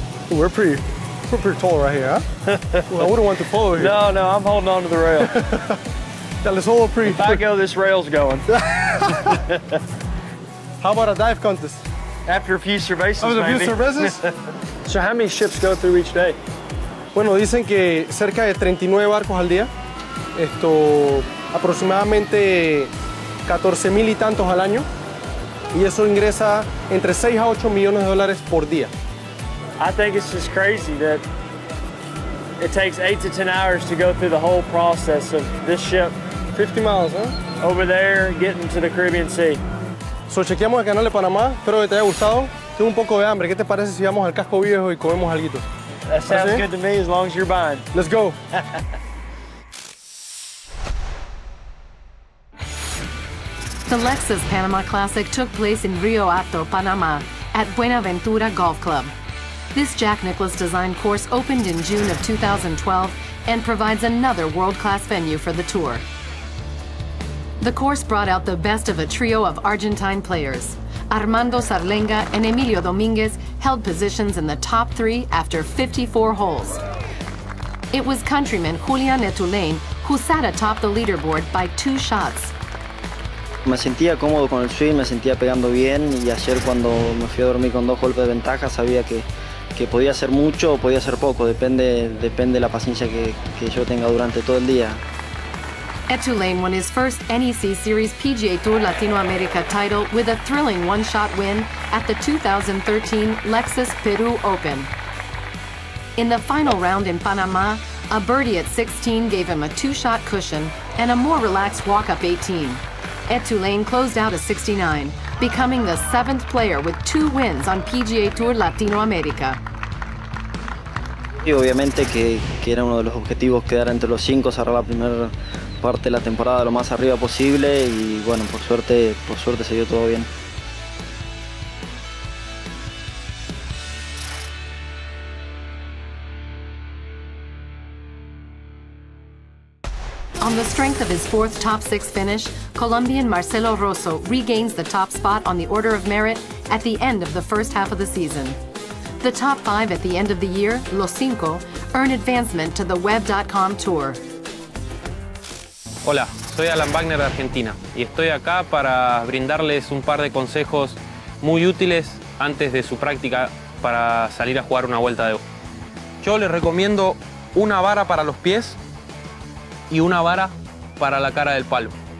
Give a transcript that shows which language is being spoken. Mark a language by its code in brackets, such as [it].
[en] We're pretty tall right here, huh? Well, I wouldn't want to follow here. No, I'm holding on to the rail. That is all pretty. If I go, this rail's going. How about a dive contest? After a few cervezas, maybe. After a few cervezas? So how many ships go through each day? [es] Bueno, dicen que cerca de 39 barcos al día. Esto, aproximadamente 14,000 y tantos al año. Y eso ingresa entre 6 a 8 millones de dólares por día. [en] I think it's just crazy that it takes 8 to 10 hours to go through the whole process of this ship. 50 miles, huh? Over there, getting to the Caribbean Sea. [es] So, chequeamos el canal de Panamá. Espero que te haya gustado. Tengo un poco de hambre. ¿Qué te parece si vamos al casco viejo y comemos alguito? [en] That sounds good to me, as long as you're buying. Let's go. The Lexus Panama Classic took place in Rio Hato, Panama, at Buenaventura Golf Club. This Jack Nicklaus design course opened in June of 2012 and provides another world-class venue for the tour. The course brought out the best of a trio of Argentine players. Armando Sarlenga and Emilio Dominguez held positions in the top three after 54 holes. It was countryman Julian Etulain who sat atop the leaderboard by 2 shots. [es] Me sentía cómodo con el swing, me sentía pegando bien y ayer cuando me fui a dormir con 2 golpes de ventaja sabía que podía ser mucho o podía ser poco, depende de la paciencia que yo tenga durante todo el día. [en] Etulaine won his first NEC Series PGA TOUR Latinoamérica title with a thrilling one-shot win at the 2013 Lexus Peru Open. In the final round in Panama, a birdie at 16 gave him a two-shot cushion and a more relaxed walk-up 18. Etulaine closed out a 69, becoming the seventh player with two wins on PGA TOUR Latinoamérica. [es] Y obviamente que era uno de los objetivos quedar entre los cinco, cerrar la primera parte de la temporada lo más arriba posible y bueno, por suerte se dio todo bien. [en] On the strength of his fourth top six finish, Colombian Marcelo Rosso regains the top spot on the order of merit at the end of the first half of the season. The top five at the end of the year, Los Cinco, earn advancement to the web.com tour. [es] Hola, soy Alan Wagner de Argentina y estoy acá para brindarles un par de consejos muy útiles antes de su práctica para salir a jugar una vuelta de. Yo les recomiendo una vara para los pies y una vara para la cara del palo.